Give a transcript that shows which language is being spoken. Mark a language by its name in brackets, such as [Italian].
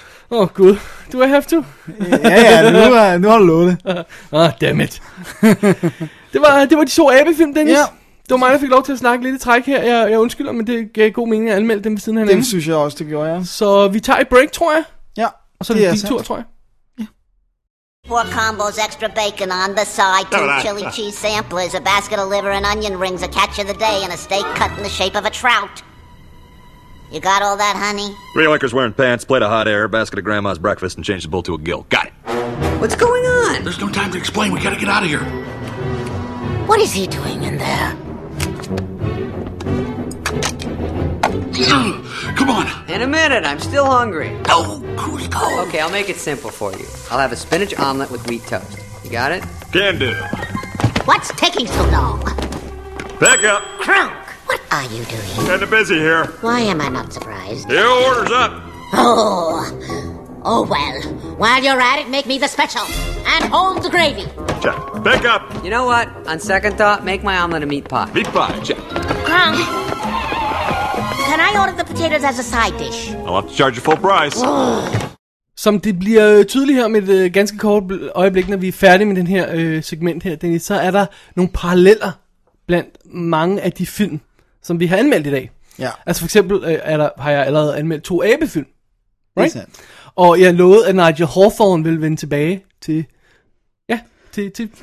[Danish] Åh, gud. [English] Do I have to? [Danish] Ja, nu har du lovet det. [English] Ah, damn it. [Danish] det var de to abefilm, Dennis. Yeah. Det var mig, der fik lov til at snakke lidt i træk her. Jeg undskylder, men det gav god mening at anmelde dem ved siden hernede. Det synes jeg også, det gjorde, ja. Så vi tager et break, tror jeg. Ja. Og så er det din tur, tror jeg. [English] Four combos, extra bacon on the side, two chili cheese samplers, a basket of liver and onion rings, a catch of the day, and a steak cut in the shape of a trout. You got all that, honey? Three Lakers wearing pants, plate of hot air, basket of grandma's breakfast, and change the bull to a gill. Got it. What's going on? There's no time to explain. We gotta get out of here. What is he doing in there? Come on. In a minute, I'm still hungry. No, Cusco. Okay, I'll make it simple for you. I'll have a spinach omelet with wheat toast. You got it? Can do. What's taking so long? Back up. Crunk, what are you doing? Kinda busy here. Why am I not surprised? The order's up. Oh, well. While you're at it, make me the special. And hold the gravy. Check. Back up. You know what? On second thought, make my omelet a meat pie. Meat pie, check. Crunk. Can I order the potatoes as a side dish? I'll have to charge you full price. [Danish] Som det bliver tydeligt her med et ganske kort øjeblik, når vi er færdige med den her segment her, Dennis, så er der nogle paralleller blandt mange af de film, som vi har anmeldt i dag. Ja. Altså for eksempel har jeg allerede anmeldt to abefilm. Right? Det er sandt. Og jeg lovede, at Nigel Hawthorne ville vende tilbage til... Ja, til